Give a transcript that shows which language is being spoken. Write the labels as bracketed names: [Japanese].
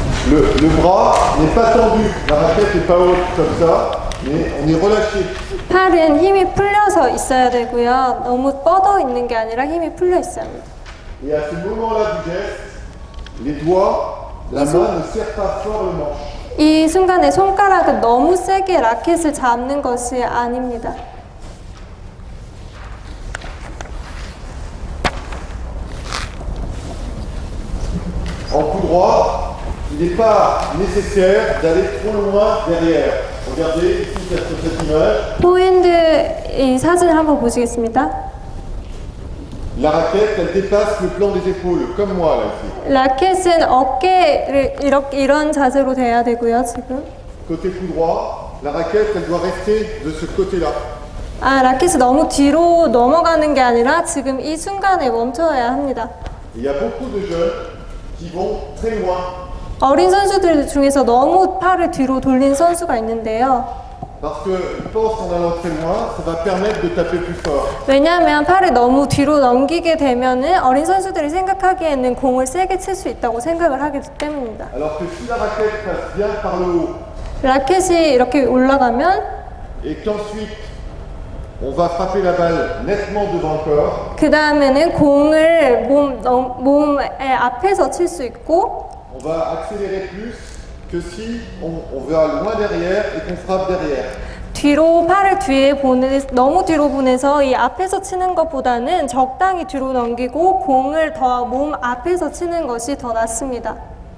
[French] Le bras n'est pas tendu, la raquette n'est pas haute comme ça, mais on est relâché. [Korean] 팔은 힘이 풀려서 있어야 되고요. 너무 뻗어 있는 게 아니라 힘이 풀려 있어야 합니다. [French] Et à ce moment-là du geste, les doigts, la main ne serre pas fort le manche. [Korean] 이 순간에 손가락은 너무 세게 라켓을 잡는 것이 아닙니다. [French] En coup droit, il n'est pas nécessaire d'aller trop loin derrière. Regardez ici sur cette image. [Korean] 포인트 이 사진을 한번 보시겠습니다. [French] La raquette, elle dépasse le plan des épaules, comme moi là ici. [Korean] 라켓은 어깨를 이렇게 이런 자세로 대야 되고요, 지금. [French] Côté coup droit, la raquette, elle doit rester de ce côté-là. [Korean] 아, 라켓이 너무 뒤로 넘어가는 게 아니라 지금 이 순간에 멈춰야 합니다. [French] Il y a beaucoup de jeunes qui vont très loin. [Korean] 어린 선수들 중에서 너무 팔을 뒤로 돌린 선수가 있는데요. [French] Parce que pense en allant très loin, ça va permettre de taper plus fort. [Korean] 왜냐하면 팔을 너무 뒤로 넘기게 되면은 어린 선수들이 생각하기에는 공을 세게 칠 수 있다고 생각을 하기 때문입니다. [French] Alors que si la raquette passe bien par le haut. [Korean] 라켓이 이렇게 올라가면 [French] et qu'ensuite on va frapper la balle nettement devant le corps. [Korean] 그다음에는 공을 몸의 앞에서 칠 수 있고 [French] on va accélérer plus que si on va loin derrière et qu'on frappe derrière. [Korean] 뒤로 팔을 뒤에 보내 너무 뒤로 보내서 이 앞에서 치는 것보다는 적당히 뒤로 넘기고 공을 더 몸 앞에서 치는 것이 더 낫습니다.